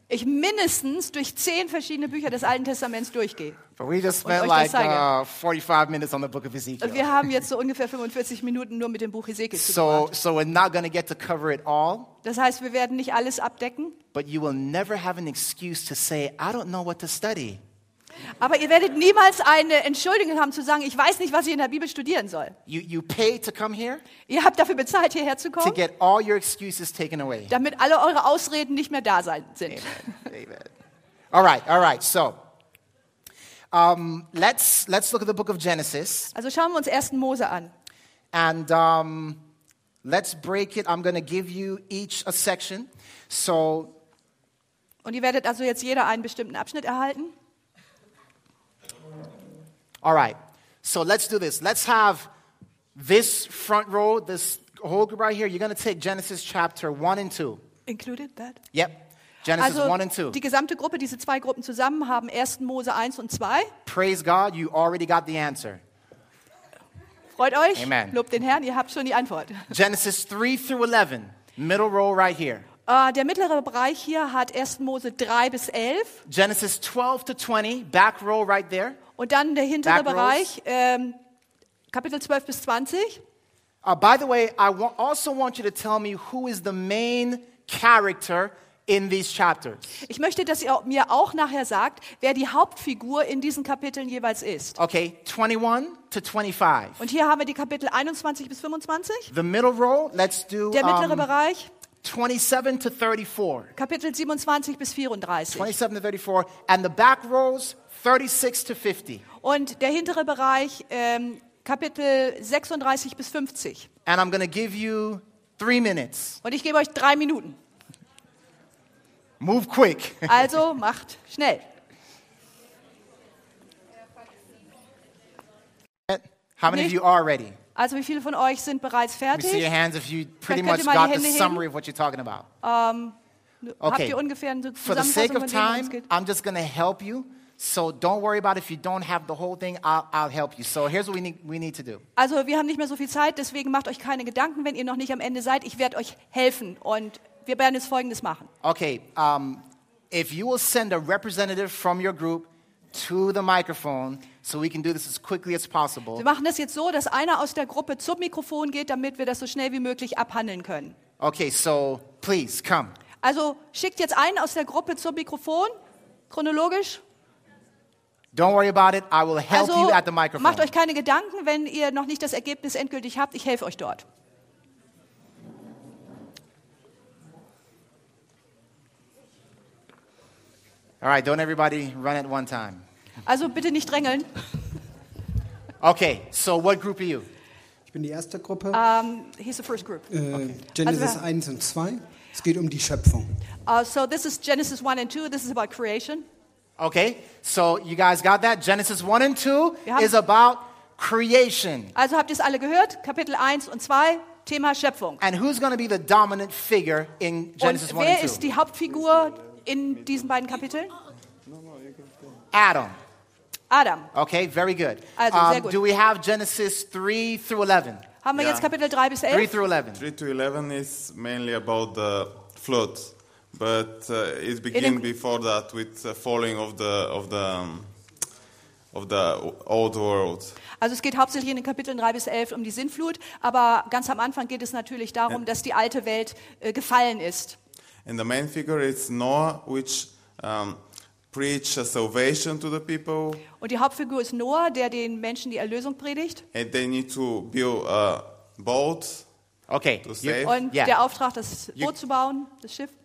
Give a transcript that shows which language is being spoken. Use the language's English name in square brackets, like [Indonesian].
[German] Ich mindestens durch 10 verschiedene Bücher des Alten Testaments durchgehe. [English] But we just spent like 45 minutes on the book of Ezekiel. [German] Wir haben jetzt so ungefähr 45 Minuten nur mit dem Buch Ezekiel zugebracht. [English] So we're not going to get to cover it all. [German] Das heißt, wir werden nicht alles abdecken. [English] But you will never have an excuse to say, I don't know what to study. [German] Aber ihr werdet niemals eine Entschuldigung haben zu sagen, ich weiß nicht, was ich in der Bibel studieren soll. [English] You pay to come here, [German] ihr habt dafür bezahlt, hierher zu kommen, [English] to get all your excuses taken away. [German] Damit alle eure Ausreden nicht mehr da sind. [English] Amen. All right. So, let's look at the book of Genesis. [German] Also schauen wir uns 1. Mose an. [English] And let's break it. I'm going to give you each a section. So, [German] und ihr werdet also jetzt jeder einen bestimmten Abschnitt erhalten. [English] All right, so let's do this. Let's have this front row, this whole group right here. You're going to take Genesis chapter 1 and 2. Included that? Yep, Genesis [German] also, [English] 1 and 2. [German] Die gesamte Gruppe, diese zwei Gruppen zusammen, haben 1. Mose 1 und 2. [English] Praise God, you already got the answer. [German] Freut euch. [English] Amen. [German] Lobt den Herrn, ihr habt schon die Antwort. [English] Genesis 3 through 11, middle row right here. [German] Der mittlere Bereich hier hat 1. Mose 3 bis 11. [English] Genesis 12 to 20, back row right there. [German] Und dann der hintere Bereich, Kapitel 12 bis 20. [English] By the way, I also want you to tell me who is the main character in these chapters. [German] Ich möchte, dass ihr mir auch nachher sagt, wer die Hauptfigur in diesen Kapiteln jeweils ist. [English] Okay, 21 to 25. [German] Und hier haben wir die Kapitel 21 bis 25. [English] The middle row, let's do, [German] der mittlere Bereich. [English] 27 to 34. [German] Kapitel 27 bis 34. [English] 27 to 34. And the back rows, 36 to 50. [German] Und der hintere Bereich, Kapitel 36 bis 50. [English] And I'm going to give you 3 minutes. [German] Und ich gebe euch 3 Minuten. [English] Move quick. [German] Also macht schnell. [English] How many of you are ready? [German] Also wie viele von euch sind bereits fertig? [English] See your hands if you pretty much got the summary of what you're talking about. [German] Okay. Habt ihr ungefähr eine Zusammenfassung, [English] for the sake of time, I'm just going to help you. So don't worry about it. If you don't have the whole thing, I'll help you. So here's what we need to do. [German] Also, wir haben nicht mehr so viel Zeit, deswegen macht euch keine Gedanken, wenn ihr noch nicht am Ende seid. Ich werde euch helfen und wir werden jetzt Folgendes machen. [English] Okay, if you will send a representative from your group to the microphone, so we can do this as quickly as possible. [German] Wir machen das jetzt so, dass einer aus der Gruppe zum Mikrofon geht, damit wir das so schnell wie möglich abhandeln können. [English] Okay, so please come. [German] Also schickt jetzt einen aus der Gruppe zum Mikrofon, chronologisch. [English] Don't worry about it. I will help [German] also, [English] you at the microphone. [German] Macht euch keine Gedanken, wenn ihr noch nicht das Ergebnis endgültig habt. Ich helfe euch dort. [English] All right, don't everybody run at one time. [German] Also bitte nicht drängeln. [English] Okay, so what group are you? [German] Ich bin die erste Gruppe. [English] He's the first group. [German] Okay. Genesis also, 1 und 2. Es geht um die Schöpfung. [English] So this is Genesis 1 and 2. This is about creation. Okay, so you guys got that? Genesis 1 and 2 is about creation. [German] Also habt ihr es alle gehört? Kapitel 1 und 2, Thema Schöpfung. [English] And who's going to be the dominant figure in Genesis 1 and 2? [German] Und wer ist die Hauptfigur in diesen beiden Kapiteln? [English] Adam. [German] Adam. [English] Okay, very good. [German] Also, sehr gut. [English] Do we have Genesis 3 through 11? [German] Haben wir jetzt Kapitel 3 bis 11? [English] 3 through 11. 3 to 11 is mainly about the flood. But it began before that with the falling of the old world. [German] Also es geht hauptsächlich in den Kapiteln 3 bis 11 um die Sintflut, aber ganz am Anfang geht es natürlich darum, dass die alte Welt gefallen ist. [English] And the main figure is Noah, which preached a salvation to the people. [German] Und die Hauptfigur ist Noah, der den Menschen die Erlösung predigt. [English] And they need to build a boat. Okay. To save. [German] Und der Auftrag, das Boot zu bauen, das Schiff.